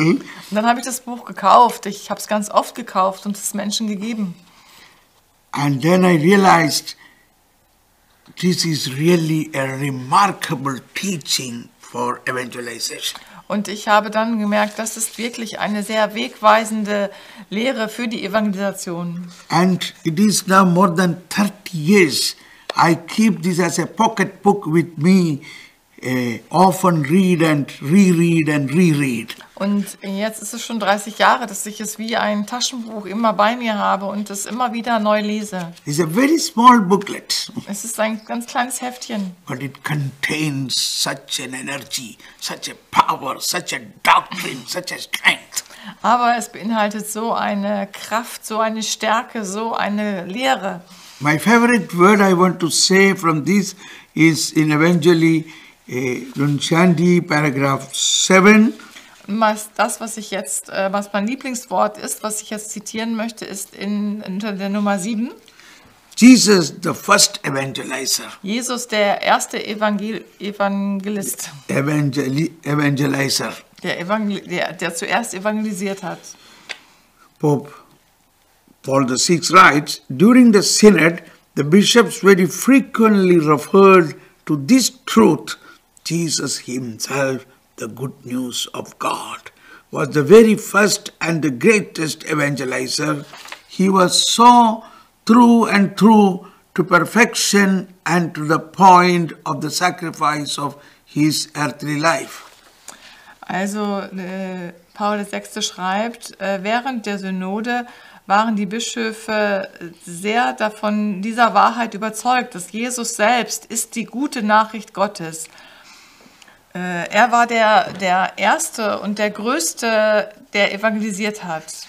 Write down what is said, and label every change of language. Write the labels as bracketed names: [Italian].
[German] Und dann habe ich das Buch gekauft. Ich habe es ganz oft gekauft und es Menschen gegeben. [English] And then I realized, this is really a remarkable teaching for evangelization. [German] Und ich habe dann gemerkt, das ist wirklich eine sehr wegweisende Lehre für die Evangelisation. [English] And it is now more than 30 years. I keep this as a pocket book with me. Often read and reread and reread. [German] Und jetzt ist es schon 30 Jahre, dass ich es wie ein Taschenbuch immer bei mir habe und es immer wieder neu lese. [English] It's a very small booklet. [German] Es ist ein ganz kleines Heftchen. [English] But it contains such an energy, such a power, such a doctrine, such a strength. [German] Aber es beinhaltet so eine Kraft, so eine Stärke, so eine Lehre. [English] My favorite word I want to say from this is in Evangelii Nuncianti, Paragraph 7. [German] Das, was ich jetzt, was mein Lieblingswort ist, was ich jetzt zitieren möchte, ist unter der Nummer 7. [English] Jesus, the first evangelizer. [German] Jesus, der erste Evangelist. [English] Evangelizer. [German] Der zuerst evangelisiert hat. [English] Pope Paul VI writes, during the synod, the bishops very frequently referred to this truth. Jesus himself, the good news of God, was the very first and the greatest evangelizer. He was so through and through to perfection and to the point of the sacrifice of his earthly life. [German] Also, Paul VI schreibt, während der Synode waren die Bischöfe sehr davon, dieser Wahrheit überzeugt, dass Jesus selbst ist die gute Nachricht Gottes. Er war der Erste und der Größte, der evangelisiert hat.